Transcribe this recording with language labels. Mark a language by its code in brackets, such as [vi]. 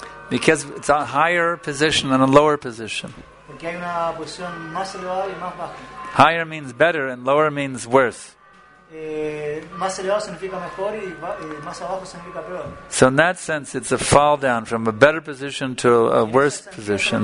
[en] Because it's a higher position than a lower position. [es] Porque hay una posición más elevada y más baja. [en] Higher means better and lower means worse. [es] Más elevado significa mejor y más abajo significa peor. [en] So in that sense it's a fall down from a better position to a worse position.